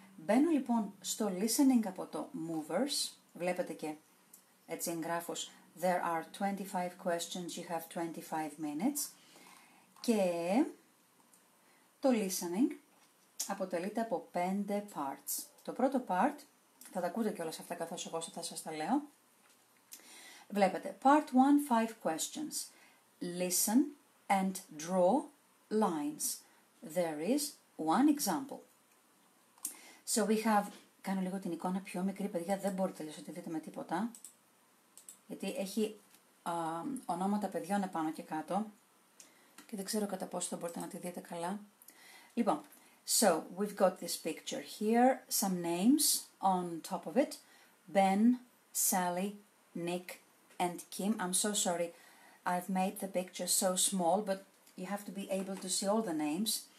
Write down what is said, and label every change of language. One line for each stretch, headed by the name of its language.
Greek: Μπαίνω λοιπόν στο listening από το movers, βλέπετε και έτσι εγγράφως
English: there are 25 questions, you have 25 minutes,
Greek: και το listening αποτελείται από 5 parts. Το πρώτο part, θα τα ακούτε κιόλας αυτά καθώς εγώ θα σας τα λέω.
English: Βλέπετε, part 1, 5 questions. Listen and draw lines. There is one example. So we have,
Greek: κάνω λίγο την εικόνα πιο μικρή, παιδιά, δεν μπορείτε λες ότι δείτε με τίποτα. Γιατί έχει ονόματα παιδιών επάνω και κάτω. Και δεν ξέρω κατά πόσο μπορείτε να τη δείτε καλά.
English: Λοιπόν, so, we've got this picture here, some names on top of it, Ben, Sally, Nick, and Kim. I'm so sorry, I've made the picture so small, but you have to be able to see all the names.